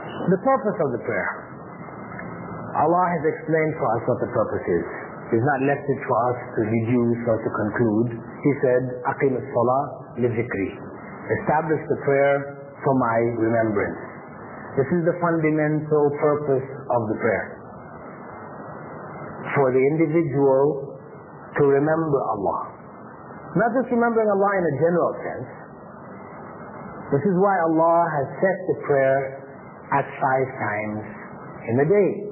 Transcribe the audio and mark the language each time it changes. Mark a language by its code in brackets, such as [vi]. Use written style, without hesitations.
[en] The purpose of the prayer. Allah has explained for us what the purpose is. He's not left it for us to deduce or to conclude. He said, [ar] أَقِمِ الصَّلَاةِ لِذِكْرِي. [en] Establish the prayer for my remembrance. This is the fundamental purpose of the prayer. For the individual to remember Allah. Not just remembering Allah in a general sense. This is why Allah has set the prayer at 5 times in a day.